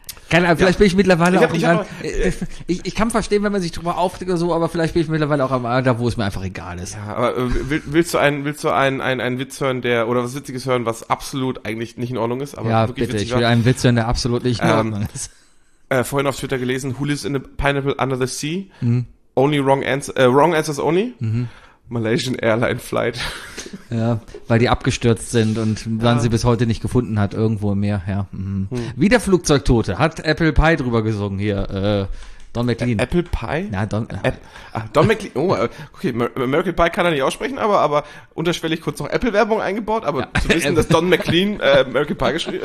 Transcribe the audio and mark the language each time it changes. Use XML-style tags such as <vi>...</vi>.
<de>Vielleicht bin ich mittlerweile ich kann verstehen, wenn man sich drüber aufregt oder so, aber vielleicht bin ich mittlerweile auch am Alter, wo es mir einfach egal ist. Ja, aber willst du einen Witz hören, der, oder was Witziges hören, was absolut eigentlich nicht in Ordnung ist? Aber ja, wirklich bitte, witzig ich will war. Einen Witz hören, der absolut nicht in Ordnung ist. Vorhin auf Twitter gelesen,</de> <en>who lives in a pineapple under the sea? Mhm. Only wrong answers only? Mhm. Malaysian Airline Flight.</en> <de>Ja, weil die abgestürzt sind und man sie bis heute nicht gefunden hat, irgendwo im Meer. Ja. Mhm. Hm. Wie der Flugzeugtote, hat Apple Pie drüber gesungen hier, Don McLean. Apple Pie? Na, Don McLean, okay, American Pie kann er nicht aussprechen, aber unterschwellig kurz noch Apple-Werbung eingebaut, aber zu wissen, dass Don McLean American Pie geschrieben</de>